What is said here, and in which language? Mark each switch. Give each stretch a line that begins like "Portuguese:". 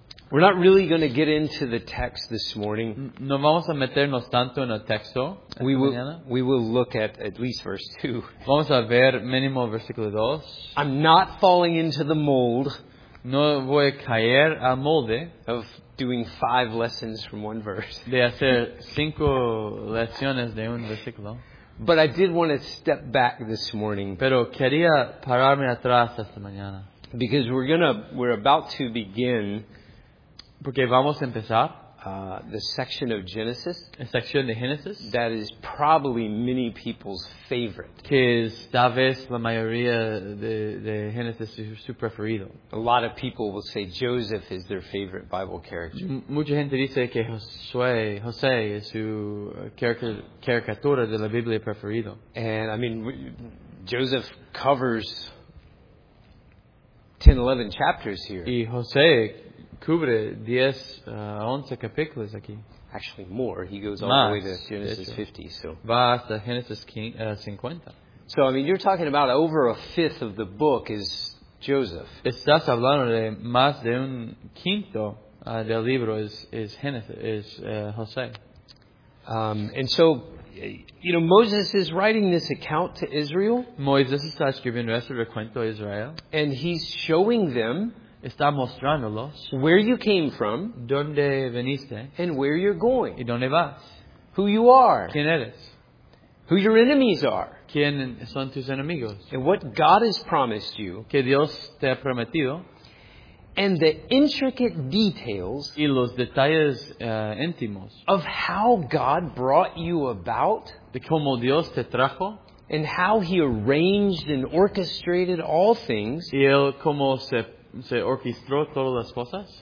English: We're not really going to get into the text this morning.
Spanish: No vamos a meternos tanto en el texto.
English: We will look at least verse 2.
Spanish: Vamos a ver mínimo versículo 2.
English: I'm not falling into the mold.
Spanish: No voy a caer al molde.
English: Of doing 5 lessons from one verse.
Spanish: De hacer 5 lecciones de un versículo.
English: But I did want to step back this morning.
Spanish: Pero quería pararme atrás esta mañana.
English: Because we're about to begin.
Spanish: Porque vamos a empezar.
English: The section of Genesis.
Spanish: La sección de Génesis.
English: That is probably many people's favorite.
Spanish: Que es tal vez la mayoría de Génesis su preferido.
English: A lot of people will say Joseph is their favorite Bible character.
Spanish: Mucha gente dice que José es su caricatura de la Biblia preferido.
English: And I mean, Joseph covers 10, 11 chapters here.
Spanish: Y José cubre 10, 11 capítulos aquí.
English: Actually more. He goes all the way to Genesis 50. So.
Spanish: Va hasta Genesis 50.
English: So, I mean, you're talking about over a fifth of the book is Joseph.
Spanish: Estás hablando de más de un quinto del libro es José.
English: And so, you know, Moses is writing this account to Israel.
Spanish: Moisés está escribiendo este recuento a Israel.
English: And he's showing them
Spanish: está mostrándolos
English: where you came from,
Spanish: donde veniste,
English: and where you're going,
Spanish: y donde vas,
English: who you are,
Spanish: quién eres,
English: who your enemies are,
Spanish: quién son tus enemigos,
English: and what God has promised you,
Spanish: que Dios te ha prometido,
English: and the intricate details,
Spanish: y los detalles íntimos,
English: of how God brought you about,
Spanish: de cómo Dios te trajo,
English: and how He arranged and orchestrated all things,
Spanish: y él cómo se orquestó todas las cosas,